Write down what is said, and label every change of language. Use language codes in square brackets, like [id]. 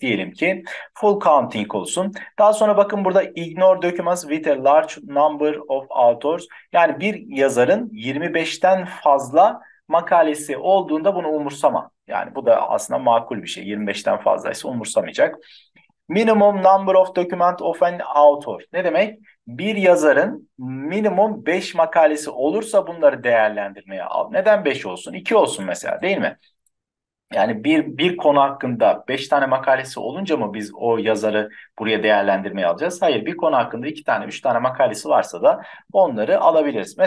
[tr] Diyelim ki full counting olsun. Daha sonra bakın burada [en] ignore documents with a large number of authors. [tr] Yani bir yazarın 25'ten fazla makalesi olduğunda bunu umursama. Yani bu da aslında makul bir şey. 25'ten fazlaysa umursamayacak. [en] Minimum number of document of an author. [tr] Ne demek? Bir yazarın minimum 5 makalesi olursa bunları değerlendirmeye al. Neden 5 olsun? 2 olsun mesela, değil mi? Yani bir konu hakkında 5 tane makalesi olunca mı biz o yazarı buraya değerlendirmeye alacağız? Hayır, bir konu hakkında 2 tane, 3 tane makalesi varsa da onları alabiliriz.